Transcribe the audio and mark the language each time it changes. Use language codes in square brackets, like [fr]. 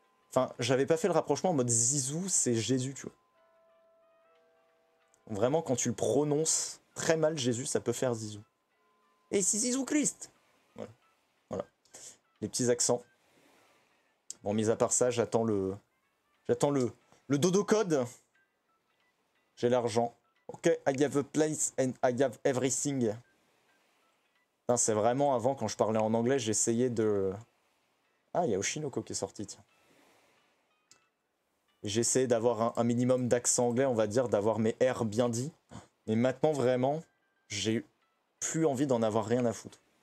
[fr] Enfin, j'avais pas fait le rapprochement en mode Zizou, c'est Jésus, tu vois. Vraiment, quand tu le prononces très mal, Jésus, ça peut faire Zizou. Et si Zizou Christ ? Voilà. Voilà. Les petits accents. Bon, mis à part ça, j'attends le dodo code. J'ai l'argent. [en] Ok, I have a place and I have everything. [fr] Non, c'est vraiment avant, quand je parlais en anglais, j'essayais de... Ah, il y a Oshinoko qui est sorti, tiens. J'essayais d'avoir un minimum d'accent anglais, on va dire, d'avoir mes R bien dit. Mais maintenant, vraiment, j'ai plus envie d'en avoir rien à foutre.